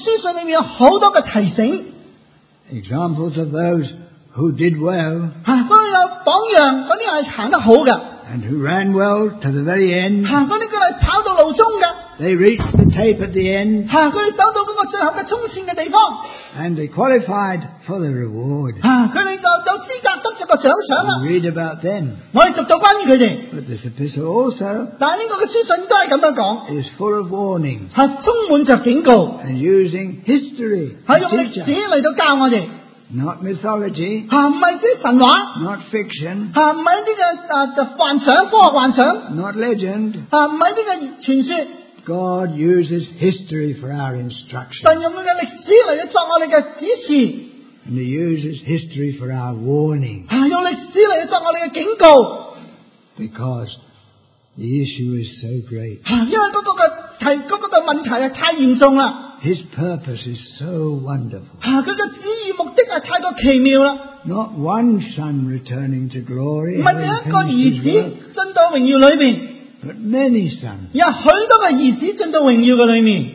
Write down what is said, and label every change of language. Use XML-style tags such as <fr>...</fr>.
<zh>在这个书信里面有很多的提醒,</zh> <en>examples of those who did well,</en> <zh>那些有榜样,那些是行得好的,</zh> <en>and who ran well to the very end,</en> <zh>那些是跑到路中的,</zh> <en>they reached the tape at the end,</en> <zh>那些走到最后的冲线的地方,</zh> <en>and they qualified for the reward.</en> <zh>那些就有资格得着个奖赏,</zh> <en>we read about them.</en> <zh>我们读到关于他们,</zh> <en>but this epistle also,</en> <zh>但这个书信都是这样讲,</zh> <en>is full of warnings,</en> <zh>充满着警告,</zh> <en>and using history,</en> <zh>用历史来教我们,</zh> <en>not mythology,</en> <zh>不是神话,</zh> <en>not fiction,</en> <zh>不是幻想,</zh> <en>not legend,</en> <zh>不是传说,</zh> <en>God uses history for our instruction. And He uses history for our warning. Because the issue is so great. His purpose is so wonderful. Not one son returning to glory, but many sons.</en> <zh>有很多的儿子进到荣耀的里面.</zh>